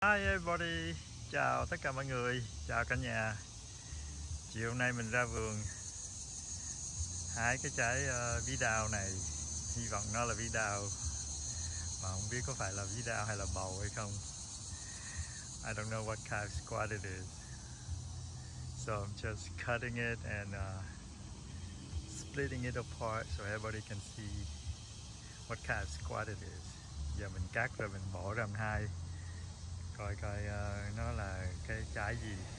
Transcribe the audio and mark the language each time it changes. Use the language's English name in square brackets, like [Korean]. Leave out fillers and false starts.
[English] Hi everybody, [Vietnamese] chào tất cả mọi người, chào cả nhà. Chiều nay mình ra vườn hái cái trái bí đao này. Hy vọng nó là bí đao, mà không biết có phải là bí đao hay là bầu hay không. [English] I don't know what kind of squad it is. So I'm just cutting it and splitting it apart so everybody can see what kind of squad it is. [Vietnamese] Giờ mình cắt rồi mình bỏ ra hai, coi coi nó là cái trái gì.